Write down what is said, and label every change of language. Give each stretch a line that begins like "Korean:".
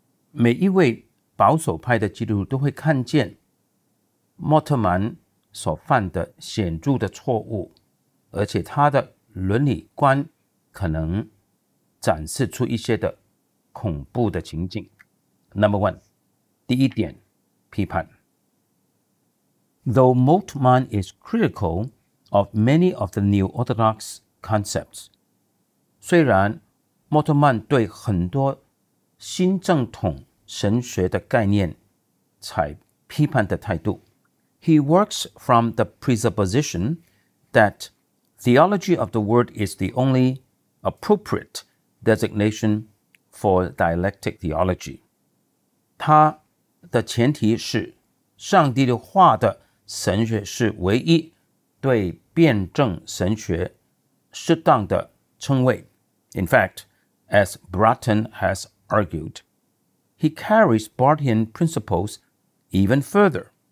Chinese: 每一位保守派的基督徒都会看见莫特曼所犯的显著的错误，而且他的伦理观可能展示出一些的恐怖的情景。
English: Number one，
Chinese: 第一点批判。
English: Though Moltmann is critical of many of the New Orthodox concepts，
Chinese: 虽然莫特曼对很多新正统神学的概念采批判的态度，
English: He works from the presupposition that theology of the word is the only appropriate designation for dialectic theology。
Chinese: 他的前提是上帝的话的神学是唯一对辩证神学适当的称谓。
English: In fact, as Barton has argued, he carries Barton principles even further.